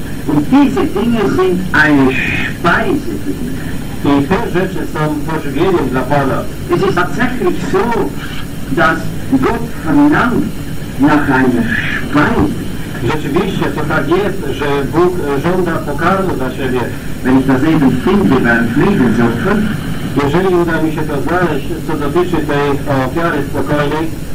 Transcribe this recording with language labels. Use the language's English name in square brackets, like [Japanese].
[German] Und diese Dinge sind eine Speise für ihn. [Polish] I te rzeczy są pożywieniem dla Pana. [German] Es ist tatsächlich so, dass Gott verlangt nach einer Speise. [Polish] Rzeczywiście to tak jest, że Bóg żąda pokarmu dla siebie. [German] Wenn ich das eben finde beim Friedensopfer, [Polish] jeżeli uda mi się to znaleźć, co dotyczy tej ofiary spokojnej.